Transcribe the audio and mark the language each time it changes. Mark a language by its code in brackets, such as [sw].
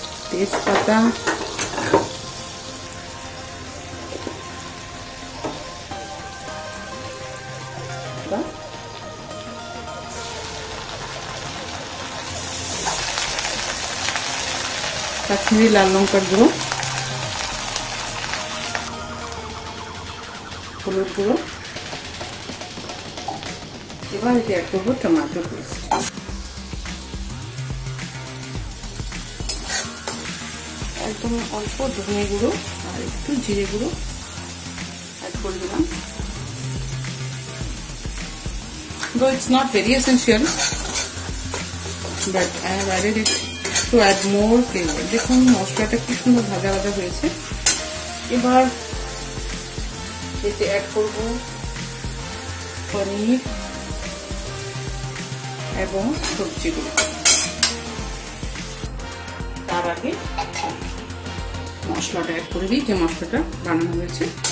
[bn] তেজপাতা, কাশ্মীরি লাল লঙ্কার গুঁড়ো, হলুদ গুঁড়ো, এবার এটি অ্যাড করবো টমেটো পেস্ট। একদম অল্প ধনে গুঁড়ো আর একটু জিরে গুঁড়ো অ্যাড করে দিলাম। [en] Though it's not very essential, but I have added it to add more flavor. [bn] দেখুন মশলাটা কি সুন্দর ভাজা ভাজা হয়েছে। এবার এতে অ্যাড করব পনির এবং সবজিগুলো। তার আগে মশলাটা অ্যাড করে দিই যে মশলাটা বানানো হয়েছে।